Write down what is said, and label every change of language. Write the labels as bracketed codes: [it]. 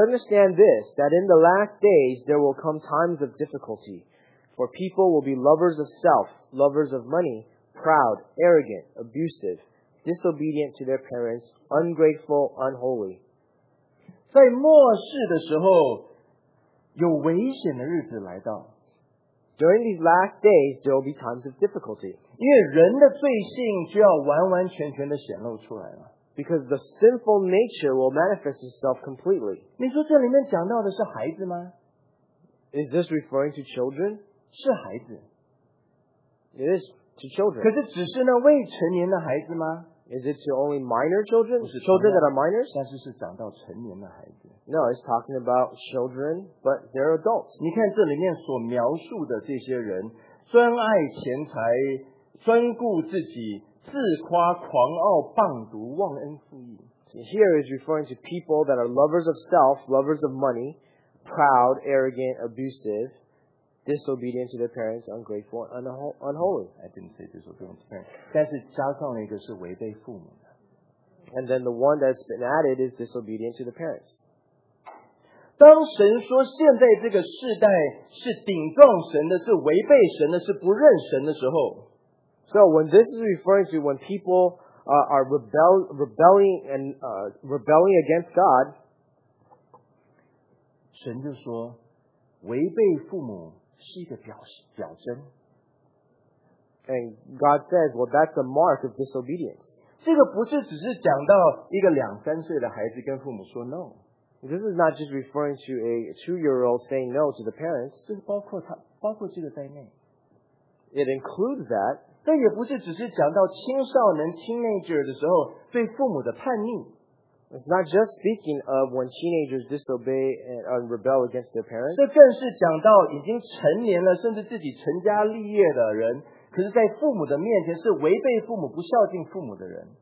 [en] understand this, that in the last days there will come times of difficulty, for people will be lovers of self, lovers of money, proud, arrogant, abusive, disobedient to their parents, ungrateful, unholy. [zh] 在末世的时候,有危险的日子来到。 [en] During these last days, there will be times of difficulty. [zh] 因为人的罪性就要完完全全的显露出来了。 [en] Because the sinful nature will manifest itself completely. [zh] 你说这里面讲到的是孩子吗？ [en] Is this referring to children? [zh] 是孩子。 [en] It is to children. [zh] 可是只是那未成年的孩子吗？ [en] Is it to only minor children? [zh] 不是 [en] children that are minors? [zh] 但是是讲到成年的孩子。 [en] No, it's talking about children, but they're adults. [zh] 你看这里面所描述的这些人，专爱钱财，专顾自己，自夸狂傲，谤读，忘恩负义。 [en] So here is referring to people that are lovers of self, lovers of money, proud, arrogant, abusive, disobedient to their parents, ungrateful, unholy. I didn't say disobedient to parents. [zh] 但是加上了一个是违背父母的。 [en] And then the one that's been added is disobedient to the parents. [zh] 当神说现在这个世代是顶撞神的，是违背神的，是不认神的时候。 [en] So when this is referring to when people are rebelling against God, [zh] 神就说违背父母是一个 表征。 [en] And God says, well, that's a mark of disobedience. [zh] 这个不是只是讲到一个两三岁的孩子跟父母说 [en] no. This is not just referring to a two-year-old saying no to the parents. [zh] 这是包括这个在内。 [en] It includes that. [zh] 这也不是只是讲到青少年 teenager 的时候对父母的叛逆。 [en] It's not just speaking of when teenagers disobey and rebel against their parents. [zh] 这更是讲到已经成年了，甚至自己成家立业的人，可是在父母的面前是违背父母、不孝敬父母的人。